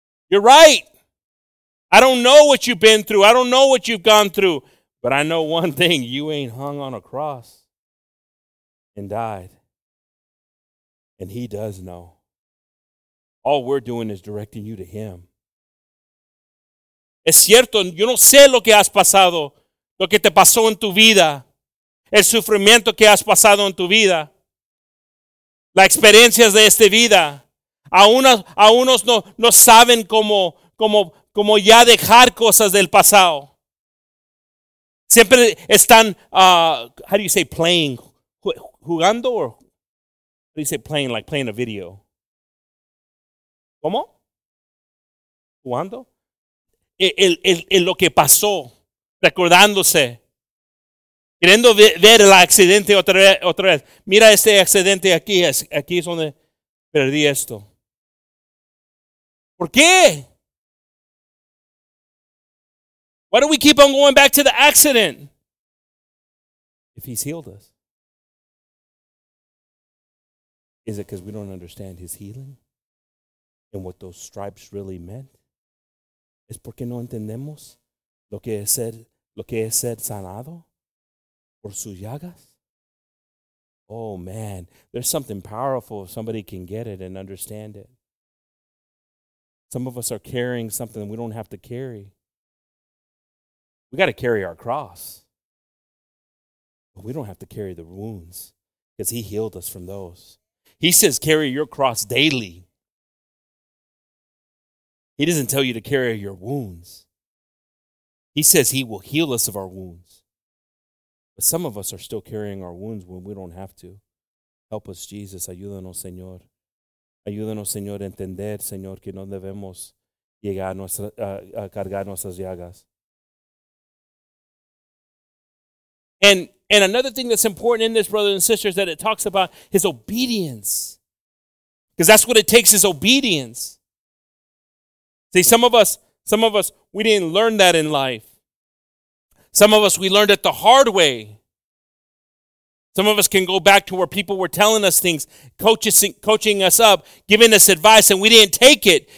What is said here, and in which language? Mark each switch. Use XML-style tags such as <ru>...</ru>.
<en>You're right. I don't know what you've been through. I don't know what you've gone through. But I know one thing. You ain't hung on a cross and died. And he does know. All we're doing is directing you to him.</en> <es>Es cierto, yo no sé lo que has pasado, lo que te pasó en tu vida, el sufrimiento que has pasado en tu vida, las experiencias de esta vida. A unos no saben cómo ya dejar cosas del pasado. Siempre están,</es> <en>how do you say, playing,</en> <es>jugando</es> <en>or what do you say, playing, like playing a video?</en> <es>¿Cómo? ¿Cuándo? El lo que pasó, recordándose, queriendo ver el accidente otra vez. Mira este accidente aquí, aquí es donde perdí esto. ¿Por qué?</es> <en>Why do we keep on going back to the accident? If he's healed us. Is it because we don't understand his healing and what those stripes really meant?</en> <es>¿Es porque no entendemos lo que es ser sanado por sus llagas?</es> <en>Oh, man, there's something powerful if somebody can get it and understand it. Some of us are carrying something we don't have to carry. We got to carry our cross. But we don't have to carry the wounds because he healed us from those. He says, carry your cross daily. He doesn't tell you to carry your wounds. He says he will heal us of our wounds. But some of us are still carrying our wounds when we don't have to. Help us, Jesus.</en> <es>Ayúdanos, Señor. Ayúdanos, Señor, a entender, Señor, que no debemos llegar a cargar nuestras llagas.</es> <en>And another thing that's important in this, brothers and sisters, that it talks about his obedience. Because that's what it takes, is obedience. See, some of us, we didn't learn that in life. Some of us, we learned it the hard way. Some of us can go back to where people were telling us things, coaching us up, giving us advice, and we didn't take it.</en>